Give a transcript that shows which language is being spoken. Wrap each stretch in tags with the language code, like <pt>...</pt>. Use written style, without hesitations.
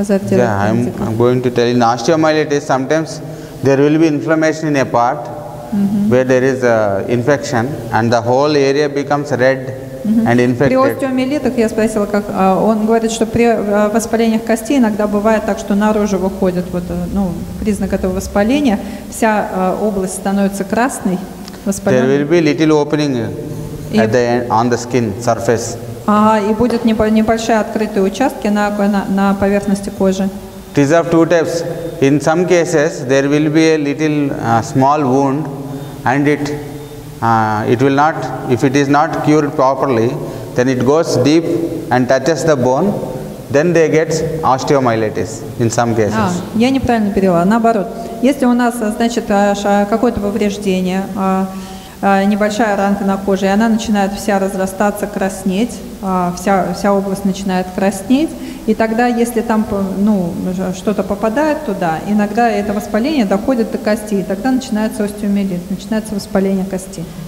<en>Yeah, I'm going to tell you. In osteomyelitis, sometimes there will be inflammation in a part where there is a infection and the whole area becomes red and infected.</en> <ru>При остеомиелитах я спросила, как он говорит, что при воспалениях костей иногда бывает так, что наружу выходит вот признак этого воспаления, вся область становится красной.</ru> <en>There will be little opening at the end, on the skin surface.</en> <ru>И будет небольшие открытые участки на поверхности кожи.</ru> <en>It is of two types. In some cases, there will be a little small wound, and it will not, if it is not cured properly, then it goes deep and touches the bone, then they get osteomyelitis in some cases.</en> <ru>Я неправильно перевела. Наоборот, если у нас, значит, какое-то повреждение, небольшая ранка на коже, и она начинает вся разрастаться, краснеть, вся область начинает краснеть, и тогда, если там что-то попадает туда, иногда это воспаление доходит до кости, и тогда начинается остеомиелит, начинается воспаление кости.</ru>